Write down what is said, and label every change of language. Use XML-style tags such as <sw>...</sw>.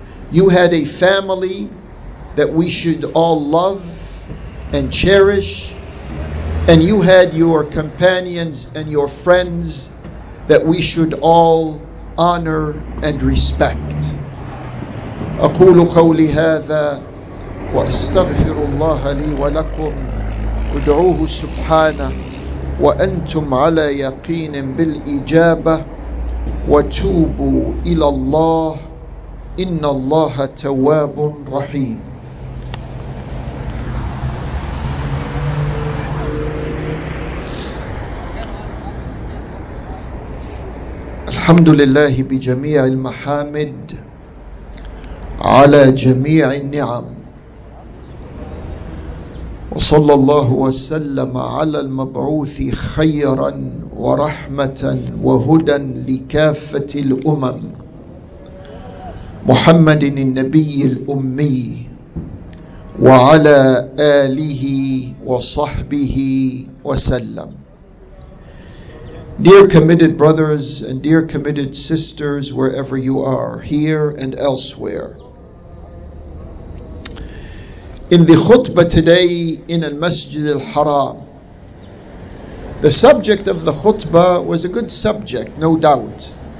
<en>You had a family that we should all love and cherish. And you had your companions and your friends that we should all honor and respect.</en> <ar>أقول قولي هذا وأستغفر الله لي ولكم ادعوه سبحانه وأنتم على يقين بالإجابة وتوبوا إلى الله إن الله تواب رحيم. الحمد لله بجميع المحامد على جميع النعم وصلى الله وسلم على المبعوث خيرا ورحمة وهدى لكافة الأمم محمد النبي الأمي وعلى آله وصحبه وسلم.</ar> <en>Dear committed brothers and dear committed sisters, wherever you are, here and elsewhere. In the khutbah today in Al-Masjid Al-Haram, the subject of the khutbah was a good subject, no doubt.</en>